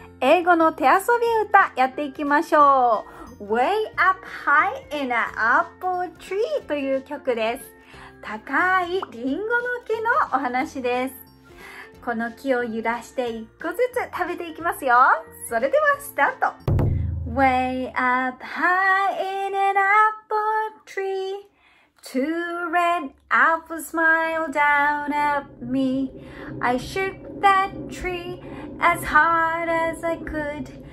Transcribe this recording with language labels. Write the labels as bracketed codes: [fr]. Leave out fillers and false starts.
[ja] 英語の手遊び歌やっていきましょう。 [en] Way up high in an apple tree [ja] という曲です。高いリンゴの木のお話です。この木を揺らして一個ずつ食べていきますよ。それではスタート。 [en] Way up high in an apple tree, two red apples smile down at me. I shook that tree as hard as I could.